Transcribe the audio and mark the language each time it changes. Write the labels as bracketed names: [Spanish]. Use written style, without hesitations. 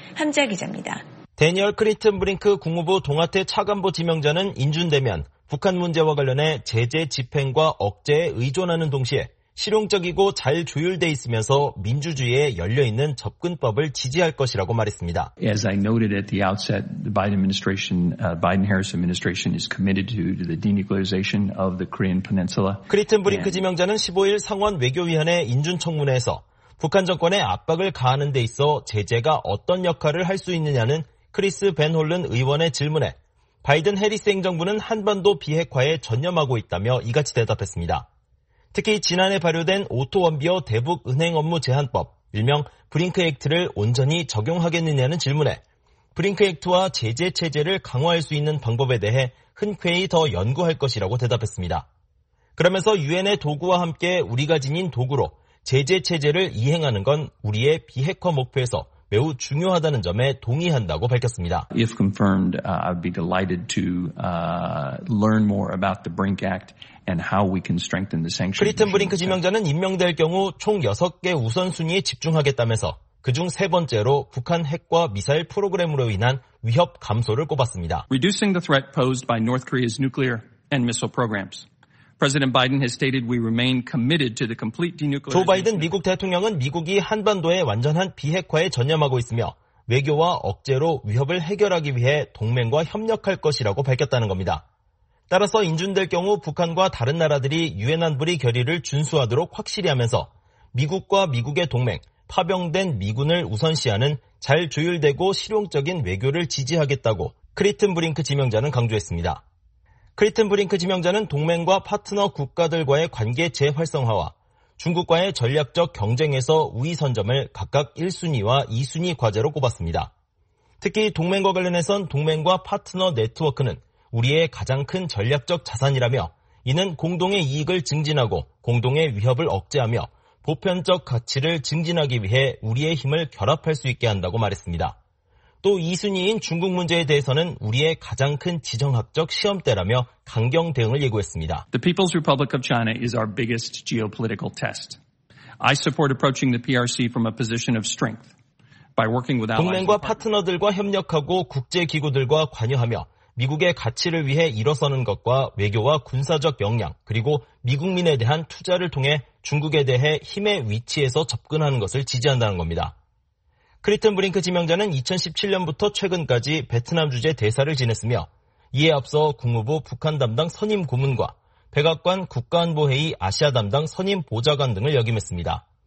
[Korean] 함재아 기자입니다. 대니얼 크리튼 브링크 국무부 동아태 차관보 지명자는 인준되면 북한 문제와 관련해 제재 집행과 억제에 의존하는 동시에 실용적이고 잘 조율돼 있으면서 민주주의에 열려있는 접근법을 지지할 것이라고 말했습니다. [English] As I noted at the outset, the Biden administration, Biden-Harris administration is committed to the denuclearization of the Korean Peninsula. [Korean] 크리튼 브링크 지명자는 15일 상원 외교위원회 인준청문회에서 북한 정권의 압박을 가하는 데 있어 제재가 어떤 역할을 할 수 있느냐는 크리스 벤 홀른 의원의 질문에 바이든 해리스 행정부는 한반도 비핵화에 전념하고 있다며 이같이 대답했습니다. 특히 지난해 발효된 오토 원비어 대북 은행 업무 제한법, 일명 브링크 액트를 온전히 적용하겠느냐는 질문에 브링크 액트와 제재 체제를 강화할 수 있는 방법에 대해 흔쾌히 더 연구할 것이라고 대답했습니다. 그러면서 UN의 도구와 함께 우리가 지닌 도구로 제재 체제를 이행하는 건 우리의 비핵화 목표에서 매우 중요하다는 점에 동의한다고 밝혔습니다. [English] If confirmed, I'd be delighted to learn more about the Brink Act and how we can strengthen the sanctions. [Korean] 크리튼 브링크 지명자는 임명될 경우 총 6개 우선순위에 집중하겠다면서 그중 세 번째로 북한 핵과 미사일 프로그램으로 인한 위협 감소를 꼽았습니다. [English] Reducing the threat posed by North Korea's nuclear and missile programs. President Biden has stated we remain committed to the complete denuclearization. [Korean] 조 바이든 미국 대통령은 미국이 한반도의 완전한 비핵화에 전념하고 있으며 외교와 억제로 위협을 해결하기 위해 동맹과 협력할 것이라고 밝혔다는 겁니다. 따라서 인준될 경우 북한과 다른 나라들이 유엔 안보리 결의를 준수하도록 확실히 하면서 미국과 미국의 동맹, 파병된 미군을 우선시하는 잘 조율되고 실용적인 외교를 지지하겠다고 크리튼 브링크 지명자는 강조했습니다. 크리튼 브링크 지명자는 동맹과 파트너 국가들과의 관계 재활성화와 중국과의 전략적 경쟁에서 우위선점을 각각 1순위와 2순위 과제로 꼽았습니다. 특히 동맹과 관련해선 동맹과 파트너 네트워크는 우리의 가장 큰 전략적 자산이라며 이는 공동의 이익을 증진하고 공동의 위협을 억제하며 보편적 가치를 증진하기 위해 우리의 힘을 결합할 수 있게 한다고 말했습니다. 또 2순위인 중국 문제에 대해서는 우리의 가장 큰 지정학적 시험대라며 강경 대응을 예고했습니다. [English] The People's Republic of China is our biggest geopolitical test. I support approaching the PRC from a position of strength by working with allies. [Korean] 동맹과 파트너들과 협력하고 국제 기구들과 관여하며 미국의 가치를 위해 일어서는 것과 외교와 군사적 역량 그리고 미국민에 대한 투자를 통해 중국에 대해 힘의 위치에서 접근하는 것을 지지한다는 겁니다. 크리튼 브링크 지명자는 2017년부터 최근까지 베트남 주재 대사를 지냈으며 이에 앞서 국무부 북한 담당 선임 고문과 백악관 국가안보회의 아시아 담당 선임 보좌관 등을 역임했습니다.